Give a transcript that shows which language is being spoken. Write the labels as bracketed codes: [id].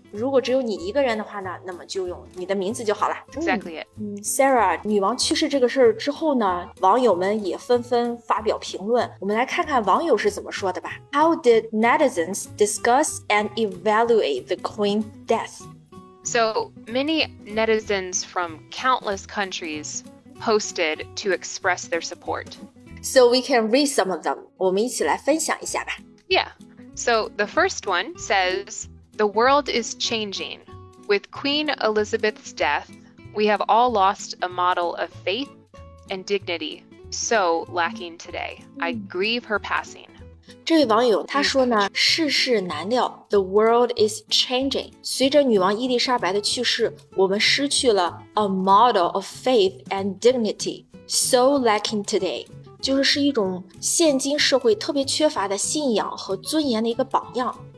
[zh] 如果只有你一个人的话呢，那么就用你的名字就好了。 [en] Exactly. [zh] 嗯 ，Sarah， 女王去世这个事儿之后呢，网友们也纷纷发表评论。我们来看看网友是怎么说的吧。 [en] How did netizens discuss and evaluate the queen's death? So many netizens from countless countries. Posted to express their support. So we can read some of them. [zh] 我们一起来分享一下吧。 [en] Yeah. So the first one says, The world is changing. With Queen Elizabeth's death, we have all lost a model of faith and dignity so lacking today. I grieve her passing. [zh] 这位网友他说呢，世事难料。 [en] The world is changing. [zh] 随着女王伊丽莎白的去世，我们失去了 [en] a model of faith and dignity so lacking today. [zh] 就是一种现今社会特别缺乏的信仰和尊严的一个榜样。